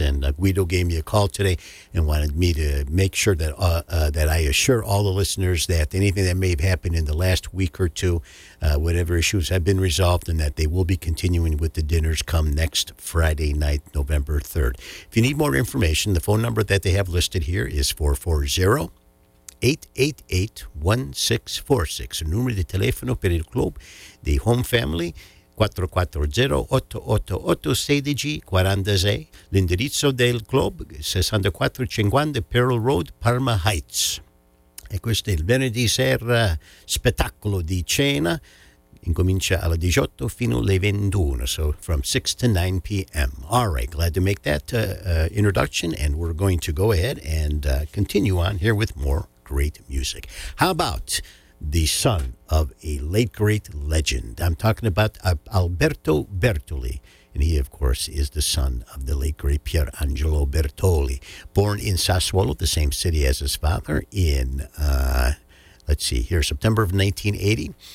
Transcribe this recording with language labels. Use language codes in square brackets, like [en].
[en] And Guido gave me a call today and wanted me to make sure that that I assure all the listeners that anything that may have happened in the last week or two, whatever issues have been resolved, and that they will be continuing with the dinners come next Friday night, November 3rd. If you need more information, the phone number that they have listed here is 440-888-1646. [it] Il numero di telefono per il club di Home Family 440-888-1646. L'indirizzo del club 6450 Pearl Road, Parma Heights. E questo è il venerdì sera spettacolo di cena. Incomincia alle 18 fino alle 21, so from 6 to 9 p.m. [en] All right, glad to make that introduction, and we're going to go ahead and continue on here with more great music. How about the son of a late great legend? I'm talking about Alberto Bertoli, and he, of course, is the son of the late great Pier Angelo Bertoli, born in Sassuolo, the same city as his father, in September of 1980.